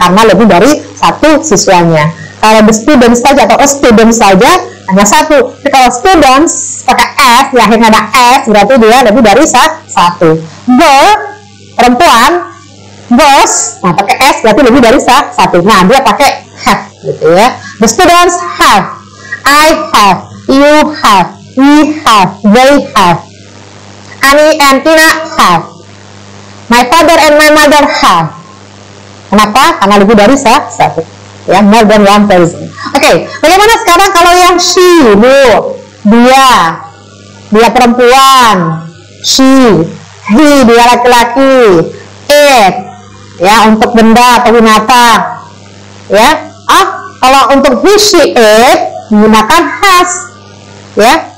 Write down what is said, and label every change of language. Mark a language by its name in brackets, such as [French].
[Indonesian] Karena lebih dari satu siswanya. Kalau the students saja atau a student saja hanya satu, tapi kalau students pakai S, di akhirnya ada S, berarti dia lebih dari satu. Girl, perempuan, girls, nah pakai S berarti lebih dari satu, nah dia pakai have gitu ya. [English] The students have, I have, you have, we have, they have, Ani and Tina have, my father and my mother have. [Indonesian] Kenapa? Karena lebih dari satu, ya, [English] more than one person. [Indonesian] Oke, bagaimana sekarang kalau yang she, bu, dia perempuan, she, he, dia laki-laki, it, ya, untuk benda atau binatang, ya, kalau untuk who she is menggunakan has, ya.